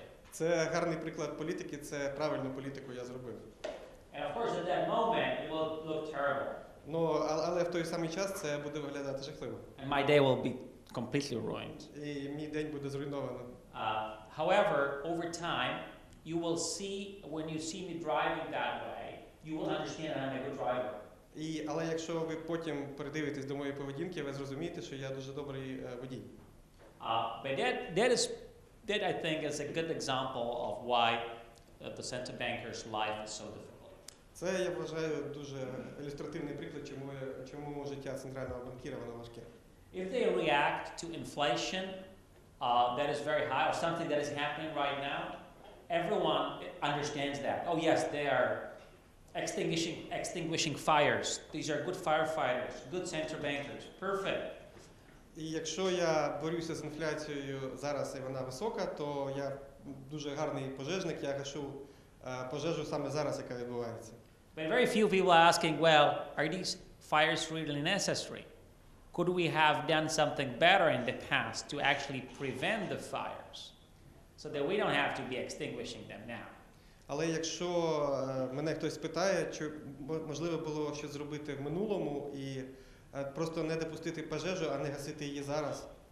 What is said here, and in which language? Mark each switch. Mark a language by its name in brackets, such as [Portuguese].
[Ukrainian] Це гарний приклад політики, це правильну політику я зробив. [English] And of course, at that moment, it will look terrible. [Ukrainian] Ну, але в той самий час це буде виглядати жахливо. [English] And my day will be completely ruined. [Ukrainian] І мій день буде зруйновано. [English] However, over time, you will see, when you see me driving that way, you will understand that I'm a good driver. [Ukrainian] І, але якщо ви потім придивитесь до моєї поведінки, ви зрозумієте, що я дуже добрий водій. [English] But that I think is a good example of why the central banker's life is so difficult. [Ukrainian] Це, я вважаю, дуже ілюстративний приклад, чому життя центрального банкіра воно важке. [English] If they react to inflation that is very high or something that is happening right now, everyone understands that. Oh yes, they are extinguishing fires. These are good firefighters, good central bankers. Perfect. [Ukrainian] І якщо я борюся з інфляцією зараз і вона висока, то я дуже гарний пожежник, я гашу пожежу саме зараз, яка відбувається. [English] But very few people are asking, well, are these fires really necessary? Could we have done something better in the past to actually prevent the fires so that we don't have to be extinguishing them now? [Ukrainian] Але якщо мене хтось питає, чи можливо було щось зробити в минулому і просто не допустити пожежу, а не гасити її зараз.